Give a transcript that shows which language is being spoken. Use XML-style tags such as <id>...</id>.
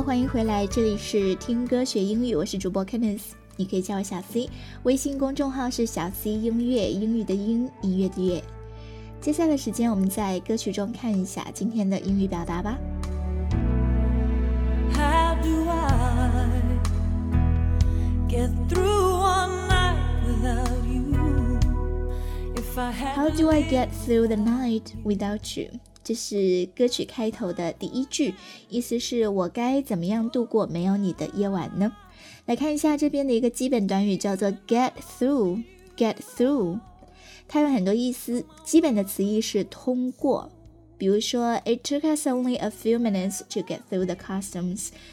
<zh>回来，这里是听歌学英语，我是主播 Kenneth， 你可以叫我小 C， 微信公众号是小 C 音乐，英语的英，音乐的乐。接下来的时间我们在歌曲中看一下今天的英语表达吧。</zh> <en>How do I get through one night without you? How do I get through the night without you?</en> <zh>这是歌曲开头的第一句，意思是我该怎么样度过没有你的夜晚呢？来看一下这边的一个基本短语，叫做 get through。 get through 它有很多意思，基本的词义是通过，比如说</zh> <en>It took us only a few minutes to get through the customs。</en>